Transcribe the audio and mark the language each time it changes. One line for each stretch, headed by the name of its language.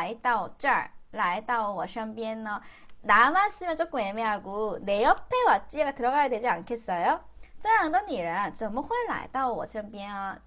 Chinese: 怎么这样的你呢?来到我身边呢?
Korean: 나만 쓰면 조금 애매하고 내 옆에 왔지가 들어가야 되지 않겠어요?
Chinese: 这样的你呢?怎么会来到我身边啊?